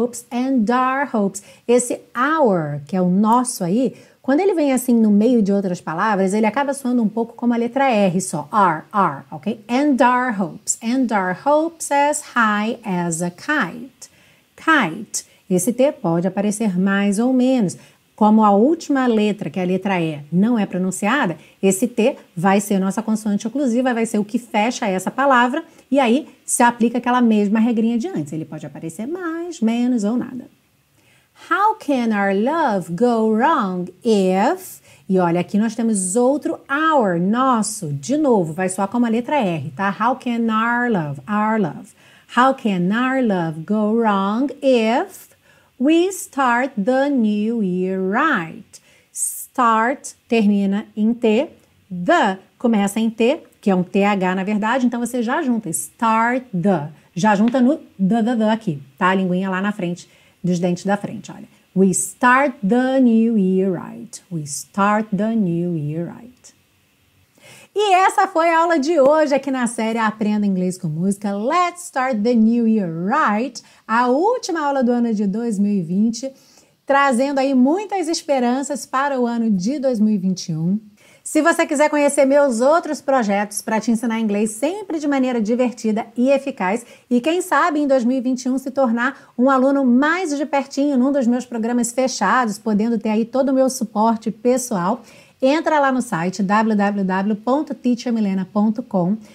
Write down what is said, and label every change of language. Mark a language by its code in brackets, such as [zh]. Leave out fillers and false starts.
[en] And our hopes, [pt] esse our, que é o nosso aí, quando ele vem assim no meio de outras palavras, ele acaba soando um pouco como a letra R só, R, R, ok? [en] And our hopes as high as a kite. [pt] Kite, esse T pode aparecer mais ou menos. Como a última letra, que é a letra E, não é pronunciada, esse T vai ser nossa consoante oclusiva, vai ser o que fecha essa palavra, e aí se aplica aquela mesma regrinha de antes. Ele pode aparecer mais, menos ou nada. [en] How can our love go wrong if... [pt] E olha, aqui nós temos outro our, nosso, de novo, vai soar como a letra R, tá? [en] How can our love... How can our love go wrong if... We start the new year right. [pt] Start termina em T. The começa em T, que é um TH na verdade. Então você já junta. [en] Start the. [pt] Já junta no the aqui. Tá? A linguinha lá na frente, dos dentes da frente. Olha. [en] We start the new year right. We start the new year right. [pt] E essa foi a aula de hoje aqui na série Aprenda Inglês com Música. [en] Let's start the new year right. [pt] A última aula do ano de 2020, trazendo aí muitas esperanças para o ano de 2021. Se você quiser conhecer meus outros projetos para te ensinar inglês sempre de maneira divertida e eficaz, e quem sabe em 2021 se tornar um aluno mais de pertinho num dos meus programas fechados, podendo ter aí todo o meu suporte pessoal, entra lá no site www.teachermilena.com.